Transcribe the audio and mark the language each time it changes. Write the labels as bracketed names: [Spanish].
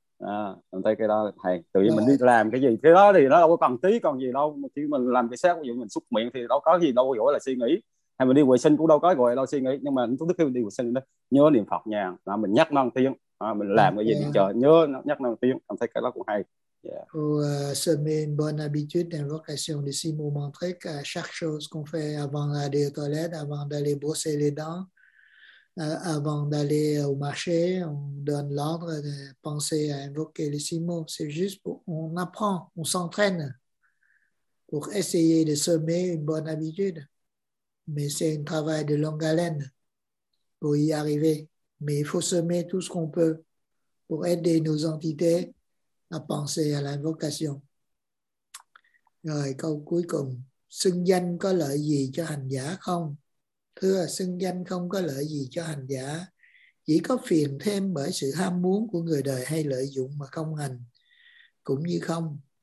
[Vietnamese] À, em thấy cái đó hay, tự nhiên mình đi làm cái gì cái đó thì nó đâu có cần tí còn gì đâu, chỉ mình làm cái xác, ví dụ mình xúc miệng thì đâu có gì đâu gọi là suy nghĩ, hay mình đi vệ sinh cũng đâu có gọi là suy nghĩ, nhưng mà lúc khi mình đi vệ sinh đó nhớ niệm Phật nha, là mình nhắc năng tiếng mình làm cái gì thì chờ nhớ nhắc năng tiếng. Em thấy cái đó cũng hay. [French] Se met une bonne habitude d'invocation de six mots mantriques à chaque chose qu'on fait avant d'aller aux toilettes, avant d'aller brosser les dents. Avant d'aller au marché, on donne l'ordre de penser à invoquer les six mots. C'est juste pour, on apprend, on s'entraîne pour essayer de semer une bonne habitude. Mais c'est un travail de longue haleine pour y arriver. Mais il faut semer tout ce qu'on peut pour aider nos entités à penser à l'invocation. [Vietnamese] Rồi, câu cuối cùng. Xưng danh có lợi gì cho hành giả không? Thưa, xưng danh không có lợi gì cho hành giả, chỉ có phiền thêm bởi sự ham muốn của người đời hay lợi dụng mà không hành, cũng như không.